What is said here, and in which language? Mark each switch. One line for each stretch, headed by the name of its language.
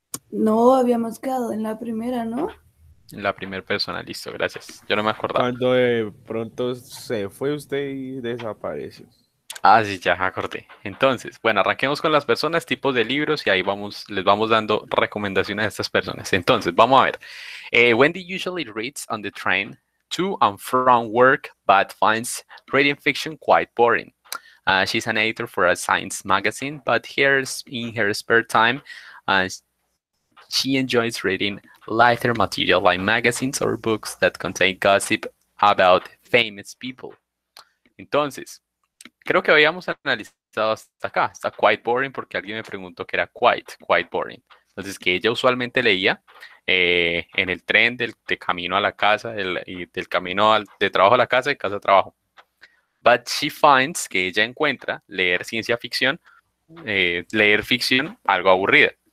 Spanish: No, habíamos quedado en la primera, ¿no? La primera persona, listo, gracias. Yo no me acordaba. Cuando de pronto se fue usted y desapareció. Ah, sí, ya acordé. Entonces, bueno, arranquemos con las personas, tipos de libros y ahí vamos, les vamos dando recomendaciones a estas personas. Entonces, vamos a ver.
English: Wendy usually reads on the train to and from work, but finds reading fiction quite boring. She's an editor for a science magazine, but in her spare time, she enjoys reading lighter material like magazines or books that contain gossip about famous people.
Spanish: Entonces, creo que habíamos analizado hasta acá. Está quite boring porque alguien me preguntó qué era quite boring. Entonces, que ella usualmente leía en el tren de camino a la casa y del camino de trabajo a la casa y casa a trabajo.
English: But she finds
Spanish: que ella encuentra leer ciencia ficción, leer ficción, algo aburrida.